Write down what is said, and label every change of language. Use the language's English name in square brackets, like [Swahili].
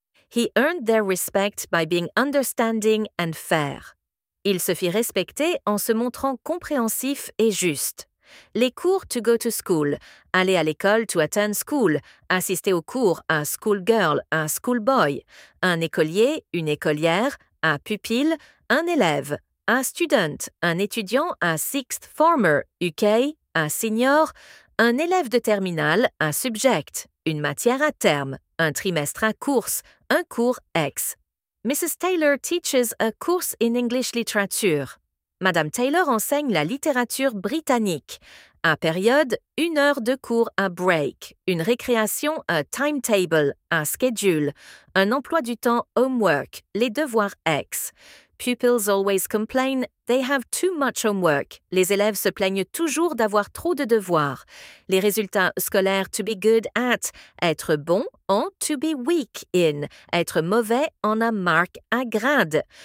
[English] He earned their respect by being understanding and fair. [French] Il se fit respecter en se montrant compréhensif et juste. Les cours [English] to go to school, [French] aller à l'école [English] to attend school, [French] assister aux cours à [English] school girl, [French] à [English] school boy, [French] un écolier, une écolière, à pupille, un élève, à [English] student, [French] un étudiant, à [English] sixth former, [French] UK, à [English] senior, [French] un élève de terminale, à [English] subject, [French] une matière à terme, un trimestre à [English] course, [French] un cours ex. Mrs. [English] Taylor teaches a course in English literature. [French] Madame Taylor enseigne la littérature britannique. À période, une heure de cours à [English] break, [French] une récréation à [English] timetable, [French] à [English] schedule, [French] un emploi du temps [English] homework, [French] les devoirs ex. [English] Pupils always complain they have too much homework. [French] Les élèves se plaignent toujours d'avoir trop de devoirs. Les résultats scolaires [English] to be good at, [French] être bon en [English] to be weak in, [French] être mauvais en [English] a mark [French] à grade.